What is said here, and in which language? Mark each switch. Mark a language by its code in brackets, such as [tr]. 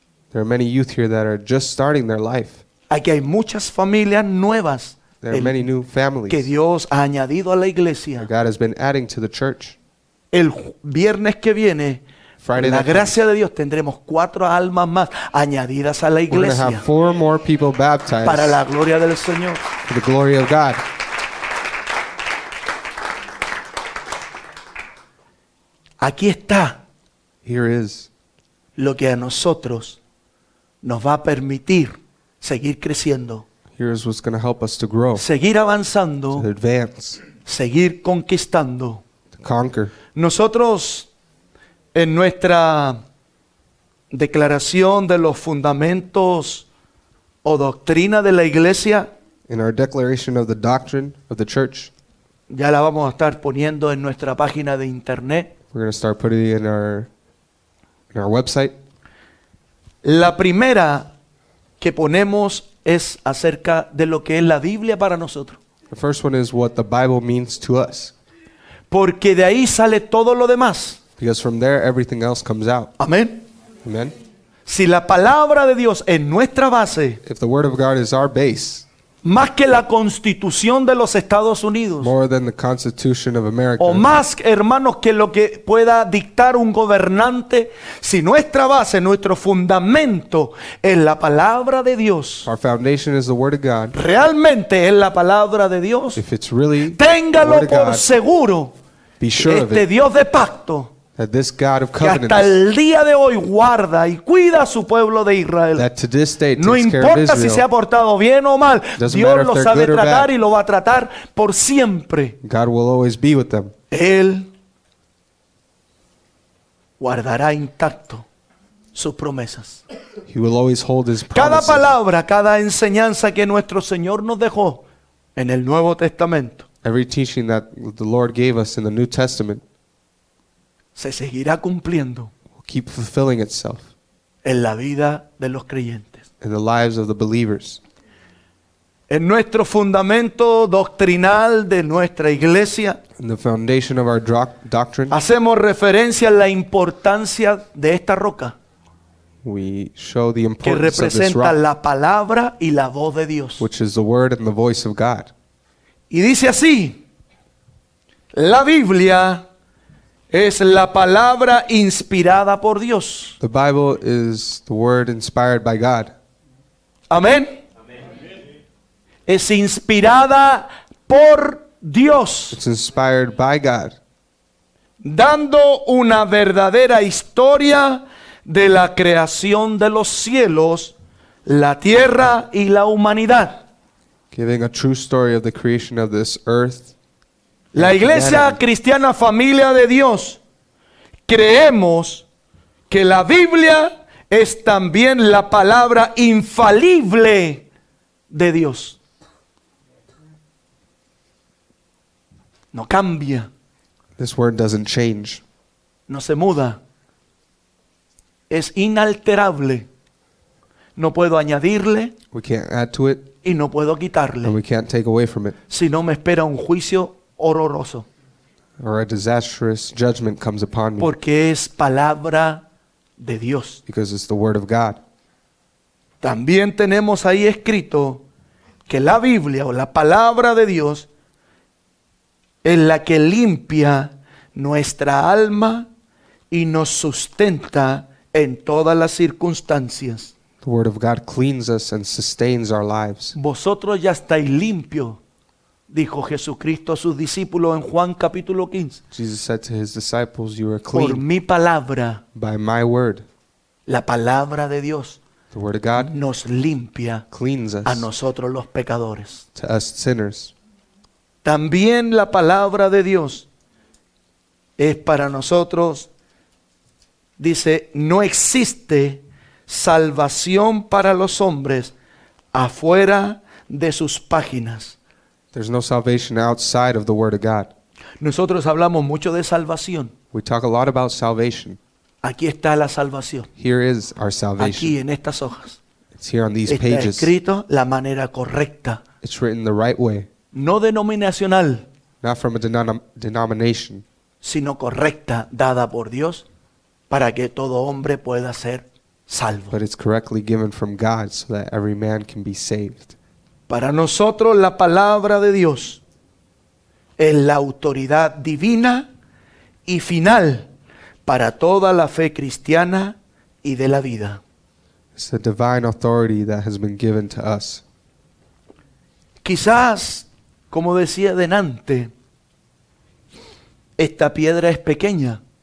[en] There are many youth here that are just starting their life. [es] Aquí hay muchas familias nuevas. [en] There are many new families. [es] Que Dios ha añadido a la iglesia. [en] God has been adding to the church. [es] El viernes que viene, [en] Friday [es] la gracia de Dios, tendremos cuatro almas más añadidas a la iglesia. [en] We're going to have four more people baptized. [es] Para la gloria del Señor. [en] For the glory of God. [es] Aquí está. [en] Here is. [es] Lo que a nosotros nos va a permitir seguir creciendo. [en] Here's what's going to help us to grow. [es] Seguir avanzando. [en] To advance. [es] Seguir conquistando. [en] To conquer. [es] Nosotros, en nuestra declaración de los fundamentos o doctrina de la iglesia, [en] in our declaration of the doctrine of the church, [es] ya la vamos a estar poniendo en nuestra página de internet. [en] We're going to start putting it in our website. [es] La primera que ponemos es acerca de lo que es la Biblia para nosotros. [en] The first one is what the Bible means to us. [es] Porque de ahí sale todo lo demás. [en] Because from there everything else comes out. [es] Amén. [en] Amen. [es] Si la palabra de Dios es nuestra base, [en] if the word of God is our base, [es] más que la Constitución de los Estados Unidos, [en] more than the Constitution of America, [es] o más, hermanos, que lo que pueda dictar un gobernante, si nuestra base, nuestro fundamento es la palabra de Dios, [en] our foundation is the word of God, [es] realmente es la palabra de Dios, [en] if it's really, [es] téngalo [en] the word of [es] por [en] God, [es] seguro, [en] be sure [es] este [en] of it. [es] Dios de pacto, [en] that this God of covenants, [es] que hasta el día de hoy guarda y cuida a su pueblo de Israel. [en] That to this day takes [es] no importa [en] care of Israel. [es] Si se ha portado bien o mal, Dios lo sabe tratar y lo va a tratar por siempre. [en] God will always be with them. [es] Él guardará intacto sus promesas. [en] He will always hold his promises. [es] Cada palabra, cada enseñanza que nuestro Señor nos dejó en el Nuevo Testamento. [en] Every teaching that the Lord gave us in the New Testament. [es] Se seguirá cumpliendo. [en] Keep fulfilling itself. [es] En la vida de los creyentes. [en] In the lives of the believers. [es] En nuestro fundamento doctrinal de nuestra iglesia. [en] In the foundation of our doctrine. [es] Hacemos referencia a la importancia de esta roca. [en] We show the importance of this rock. [es] Que representa la palabra y la voz de Dios. [en] Which is the word and the voice of God. [es] Y dice así. La Biblia es la palabra inspirada por Dios. [en] The Bible is the word inspired by God. [es] Amén. Es inspirada por Dios. [en] It's inspired by God. [es] Dando una verdadera historia de la creación de los cielos, la tierra y la humanidad. [en] Giving a true story of the creation of this earth. [es] La Iglesia Cristiana Familia de Dios creemos que la Biblia es también la palabra infalible de Dios. No cambia. [en] This word doesn't change. [es] No se muda. Es inalterable. No puedo añadirle. [en] We can't add to it. [es] Y no puedo quitarle. [en] And we can't take away from it. [es] Si no me espera un juicio horroroso. [en] Or a disastrous judgment comes upon me. [es] Porque es palabra de Dios. [en] Because it's the word of God. [es] También tenemos ahí escrito que la Biblia o la palabra de Dios es la que limpia nuestra alma y nos sustenta en todas las circunstancias. [en] The word of God cleans us and sustains our lives. [es] Vosotros ya estáis limpios. Dijo Jesucristo a sus discípulos en Juan capítulo 15. [en] Jesus said to his disciples, you are clean. [es] Por mi palabra. [en] By my word. [es] La palabra de Dios. [en] The word of God. [es] Nos limpia. [en] Cleans us. [es] A nosotros los pecadores. [en] To us sinners. [es] También la palabra de Dios es para nosotros. Dice, no existe salvación para los hombres afuera de sus páginas. [en] There's no salvation outside of the word of God. [es] Nosotros hablamos mucho de salvación. [en] We talk a lot about salvation. [es] Aquí está la salvación. [en] Here is our salvation. [es] Aquí en estas hojas. [en] It's here on these [es] está [en] pages. [es] Está escrito la manera correcta. [en] It's written the right way. [es] No denominacional. [en] Not from a denomination. [es] Sino correcta, dada por Dios para que todo hombre pueda ser salvo. [en] But it's correctly given from God so that every man can be saved. [es] Para nosotros la palabra de Dios es la autoridad divina y final para toda la fe cristiana y de la vida. [en] It's the divine authority that has been given to us. [es] Quizás, como decía delante, esta piedra es pequeña.